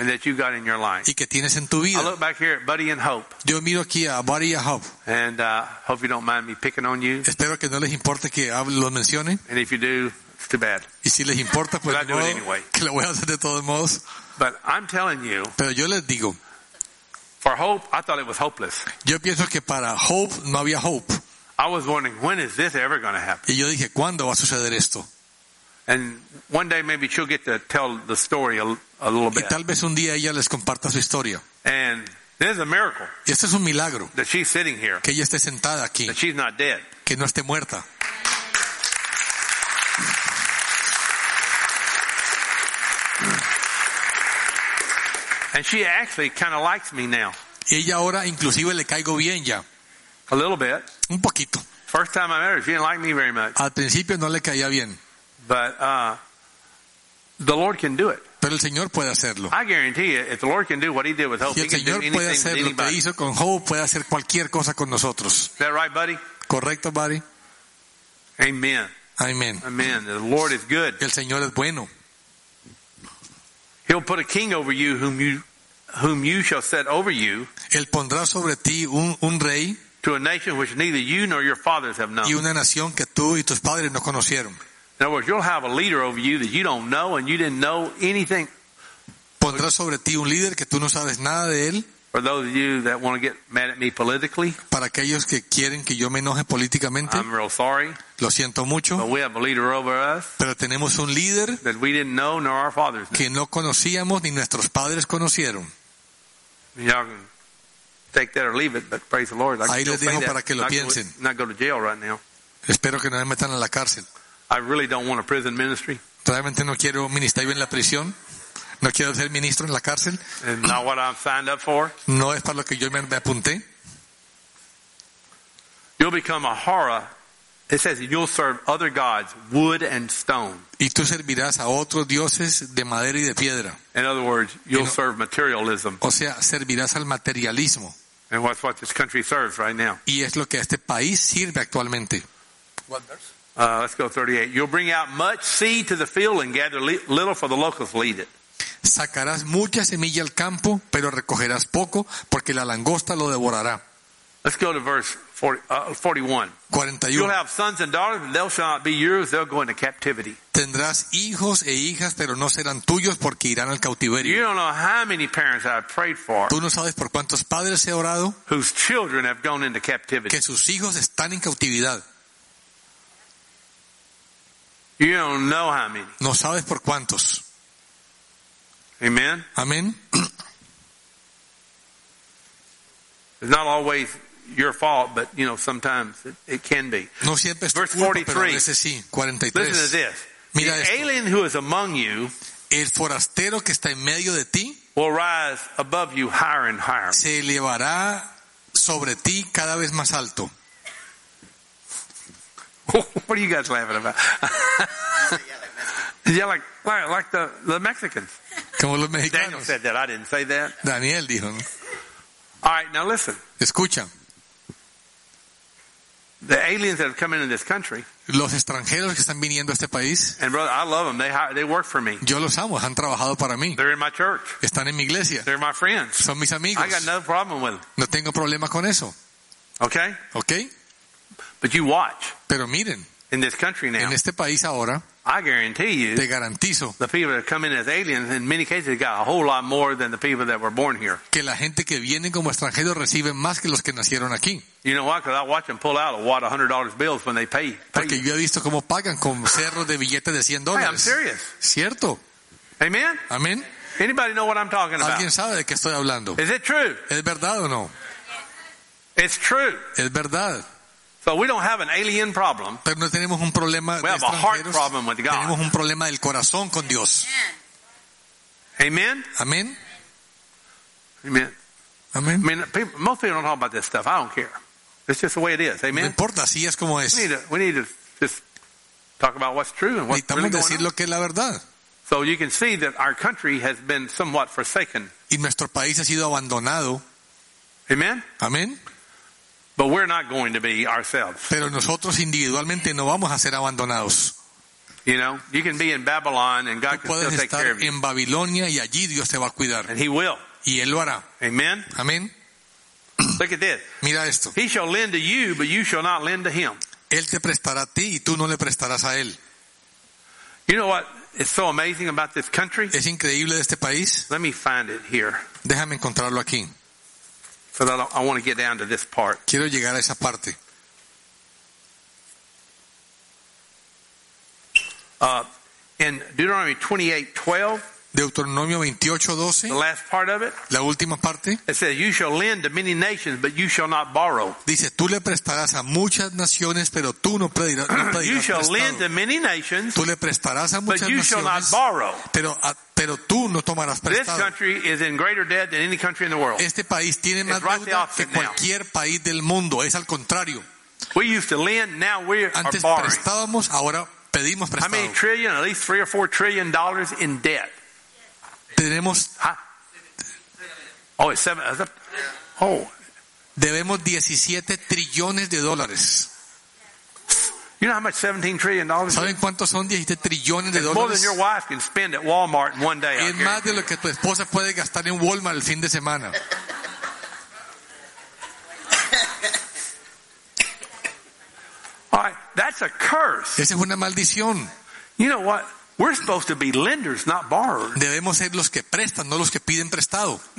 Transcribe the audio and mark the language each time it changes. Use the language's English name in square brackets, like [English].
[English] And that you've got in your life. [Spanish] Y que tienes en tu vida. [English] I look back here at Buddy and Hope. [Spanish] Yo miro aquí a Buddy and Hope. [English] And hope you don't mind me picking on you. [Spanish] Espero que no les importe que hable, lo mencione. [English] And if you do, it's too bad. [Spanish] Y si les importa, pues [English] no, anyway. [Spanish] Que lo voy a hacer de todos modos. [English] But I'm telling you. [Spanish] Pero yo les digo. [English] For Hope, I thought it was hopeless. [Spanish] Yo pienso que para Hope no había [English] hope. I was wondering, when is this ever going to happen? [Spanish] Y yo dije, ¿cuándo va a suceder esto? [English] And one day maybe she'll get to tell the story a little bit. [Spanish] Y tal vez un día ella les comparta su historia. [English] And this is a miracle. [Spanish] Y este es un milagro. [English] That she's sitting here. [Spanish] Que ella esté sentada aquí. [English] That she's not dead. [Spanish] Que no esté muerta. [English] And she actually kind of likes me now. [Spanish] Y ella ahora inclusive le caigo bien ya. [English] A little bit. [Spanish] Un poquito. [English] First time I met her, she didn't like me very much. [Spanish] Al principio no le caía bien. [English] But the Lord can do it. [Spanish] Pero el Señor puede hacerlo. [English] I guarantee you, if the Lord can do what He did with Hope, [Spanish] si el Señor puede hacer lo que hizo con Hope, puede hacer cualquier cosa con nosotros. [English] Is that right, buddy? [Spanish] Correcto, buddy. [English] Amen. [Spanish] Amen. [English] Amen. The Lord is good. [Spanish] El Señor es bueno. [English] He'll put a king over you, whom you shall set over you. [Spanish] Él pondrá sobre ti un rey. [English] To a nation which neither you nor your fathers have known. [Spanish] Y una nación que tú y tus padres no conocieron. [English] In other words, you'll have a leader over you that you don't know, and you didn't know anything. [Spanish] Pondrá sobre ti un líder que tú no sabes nada de él. [English] For those of you that want to get mad at me politically. [Spanish] Para aquellos que quieren que yo me enoje políticamente. [English] I'm real sorry. [Spanish] Lo siento mucho. [English] But we have a leader over us. [Spanish] Pero tenemos un líder [English] that we didn't know nor our fathers. [Spanish] Que no conocíamos ni nuestros padres conocieron. [English] Take that or leave it, but praise the Lord. [Spanish] Ahí les dejo para que lo piensen. [English] Not go to jail right now. [Spanish] Espero que no me metan en la cárcel. [English] I really don't want a prison ministry. [Spanish] Realmente no quiero ministerio en la prisión. No quiero ser ministro en la cárcel. [English] And not what I'm signed up for. [Spanish] No es para lo que yo me apunté. [English] You'll become a horror. It says you'll serve other gods, wood and stone. [Spanish] Y tú servirás a otros dioses de madera y de piedra. [English] In other words, you'll serve materialism. [Spanish] O sea, servirás al materialismo. [English] And that's what this country serves right now. [Spanish] Y es lo que este país sirve actualmente. [English] What verse? Let's go 38. You'll bring out much seed to the field and gather little for the locusts will eat it. [Spanish] Sacarás mucha semilla al campo, pero recogerás poco porque la langosta lo devorará. [English] Let's go to verse 41. You'll have sons and daughters, but they shall not be yours. They'll go into captivity. [Spanish] Tendrás hijos e hijas, pero no serán tuyos porque irán al cautiverio. [English] You don't know how many parents I've prayed for. [Spanish] Tú no sabes por cuántos padres he orado. [English] Whose children have gone into captivity. [Spanish] Que sus hijos están en cautividad. [English] You don't know how many. [Spanish] No sabes por cuántos. [English] Amen. [Spanish] Amen. [English] It's not always your fault, but you know, sometimes it can be. [Spanish] No siempre es tu culpa, pero a veces sí. [English] 43. Listen to this. [Spanish] Mira [English] the [Spanish] esto. [English] Alien who is among you, [Spanish] el forastero que está en medio de ti, [English] will rise above you higher and higher. [Spanish] Se elevará sobre ti cada vez más alto. [English] What are you guys laughing about? Yeah, like the Mexicans. [Spanish] Como los Mexicanos. [English] Daniel said that. I didn't say that. [Spanish] Daniel dijo. [English] All right, now listen. [Spanish] Escucha. [English] The aliens that have come into this country. [Spanish] Los extranjeros que están viniendo a este país. [English] And brother, I love them. They work for me. [Spanish] Yo los amo. Han trabajado para mí. [English] They're in my church. [Spanish] Están en mi iglesia. [English] They're my friends. [Spanish] Son mis amigos. [English] I got no problem with them. [Spanish] No tengo problema con eso. [English] Okay. [Spanish] Okay. [English] But you watch. [Spanish] Pero miren. [English] In this country now. [Spanish] En este país ahora. [English] I guarantee you. [Spanish] Te garantizo. [English] The people that come in as aliens, in many cases, got a whole lot more than the people that were born here. [Spanish] Que la gente que viene como extranjero recibe más que los que nacieron aquí. [English] You know why? Because I watch them pull out a wad of $100 bills when they pay. [Spanish] Porque yo he visto cómo pagan con cerros de billetes de $100. [English] Hey, I'm serious. [Spanish] Cierto. [English] Amen. [Spanish] Amen. [English] Anybody know what I'm talking about? [Spanish] ¿Alguien sabe de qué estoy hablando? [English] Is it true? [Spanish] ¿Es verdad o no? [English] It's true. [Spanish] Es verdad. [English] But we don't have an alien problem. [Spanish] Pero no tenemos un problema de extranjeros. [English] We have a heart problem with God. [Spanish] Tenemos un problema del corazón con Dios. [English] Amen. [Spanish] Amen. [English] Amen. [Spanish] Amen. [English] I mean, most people don't talk about this stuff. I don't care. It's just the way it is. Amen. [Spanish] No importa, así es como es. [English] We need to just talk about what's true and what's really going on. [Spanish] Necesitamos decir lo que es la verdad. [English] So you can see that our country has been somewhat forsaken. [Spanish] Y nuestro país ha sido abandonado. [English] Amen. Amen. But we're not going to be ourselves. [Spanish] Pero nosotros individualmente no vamos a ser abandonados. [English] You know, you can be in Babylon and God can still take care of you. [Spanish] Puedes estar en Babilonia y allí Dios te va a cuidar. [English] And He will. [Spanish] Y él lo hará. [English] Amen. Amen. Look at this. [Spanish] Mira esto. [English] He shall lend to you, but you shall not lend to him. [Spanish] Él te prestará a ti y tú no le prestarás a él. [English] You know what is so amazing about this country? [Spanish] Es increíble de este país. [English] Let me find it here. [Spanish] Déjame encontrarlo aquí. [English] So that I want to get down to this part. [Spanish] Quiero llegar a esa parte. [English] In Deuteronomy 28:12. [Spanish] Deuteronomio 28:12. [English] The last part of it. [Spanish] La última parte. [English] It says, "You shall lend to many nations, but you shall not borrow." [Spanish] Dice, tú le prestarás a muchas naciones, pero tú no pedirás prestado. [English] You shall lend to many nations. [Spanish] Tú le prestarás a muchas naciones, [English] but you shall not borrow. [Spanish] Pero tú no tomarás prestado. [English] This country is in greater debt than any country in the world. [Spanish] Este país tiene más deuda que cualquier país del mundo. Es al contrario. [English] We used to lend. Now we are borrowing. [Spanish] Antes prestábamos, ahora pedimos prestado. [English] How many trillion? At least $3 or $4 trillion in debt. [Spanish] Tenemos, [English] oh, seven, is that, oh, [Spanish] debemos 17 trillones de dólares. [English] You know how much $17 trillion? [Spanish] ¿Saben cuántos son 17 trillones de dólares? [English] More than your wife can spend at Walmart in one day. [Spanish] Es más de lo que tu esposa puede gastar en Walmart el fin de semana. [English] All right, that's a curse. [Spanish] Esa es una maldición. [English] You know what? We're supposed to be lenders, not borrowers. [Spanish] Debemos ser los que prestan, no los que piden prestado.